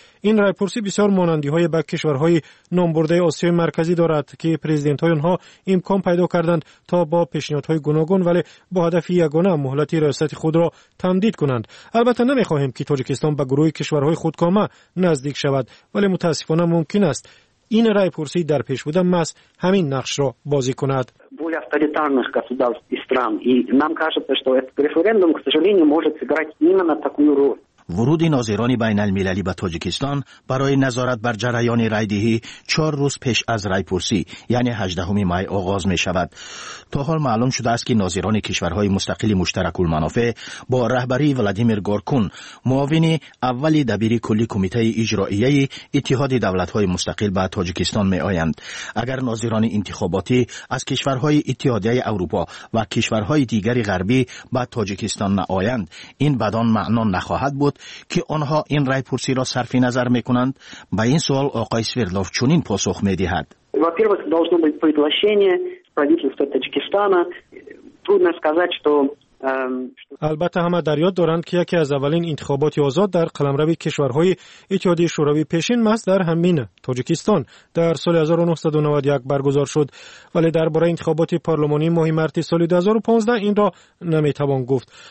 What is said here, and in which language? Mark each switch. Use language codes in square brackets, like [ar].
[fa] این رای پرسی بسیار مانندی های به کشورهای نامبرده آسیای مرکزی دارد که پرزیدنت های آنها امکان پیدا کردند تا با پیشنهادهای گوناگون ولی با هدف یگانه مهلت ریاست خود را تمدید کنند. البته نمیخواهیم که تاجیکستان به گروه کشورهای خودکامه نزدیک شود، ولی متاسفانه ممکن است این رای پرسی در پیش بوده مس همین نقش را بازی کند. [ru] Более авторитарных государств и стран, и нам кажется, что этот референдум, к сожалению, может сыграть именно такую роль. [fa] ورود ناظران بین المللی به تاجیکستان برای نظارت بر جریان رایدهی 4 روز پیش از رای پرسی یعنی 18 می آغاز می شود. تا حال معلوم شده است که ناظران کشورهای مستقل مشترک المنافع با رهبری ولادیمیر گورکون، معاون اول دبیر کلی کمیته اجرایی اتحاد دولت های مستقل به تاجیکستان می آیند. اگر ناظران انتخاباتی از کشورهای اتحادیه اروپا و کشورهای دیگر غربی به تاجیکستان نآیند، این بدان معنا نخواهد بود که آنها این رای پرسی را صرف نظر می کنند. به این سوال آقای سویردلوف چنین پاسخ می دهد. [ru] Во-первых, должно быть приглашение правительства Таджикистана. Трудно сказать, что [fa] البته همه در یاد دارند که یکی از اولین انتخابات آزاد در قلمرو کشورهای اتحادیه شوروی پیشین ماست در همین تاجیکستان در سال 1991 برگزار شد، ولی درباره انتخابات پارلمانی ماه مارس سال 2015 این را نمیتوان گفت.